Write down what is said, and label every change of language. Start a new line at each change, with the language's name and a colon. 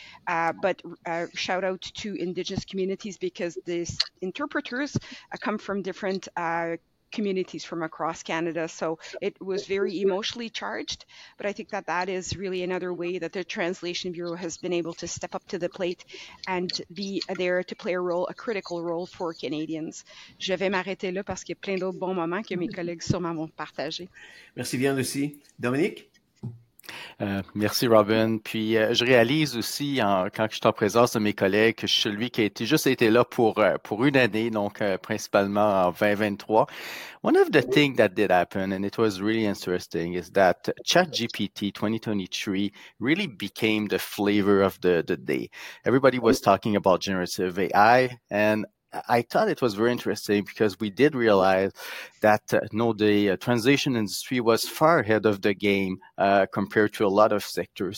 English: But shout out to Indigenous communities, because these interpreters come from different communities from across Canada. So it was very emotionally charged. But I think that is really another way that the Translation Bureau has been able to step up to the plate and be there to play a role, a critical role for Canadians.
French: Je vais m'arrêter là parce qu'il y a plein d'autres bons moments que mes collègues sûrement vont partager. Merci bien, Lucie. Dominique? Merci, Robin. Puis je réalise aussi, quand je suis en présence de mes collègues, que je suis celui qui a été là pour une année, donc principalement en 2023.
English: One of the things that did happen, and it was really interesting, is that ChatGPT 2023 really became the flavor of the day. Everybody was talking about generative AI, and I thought it was very interesting because we did realize that the translation industry was far ahead of the game compared to a lot of sectors.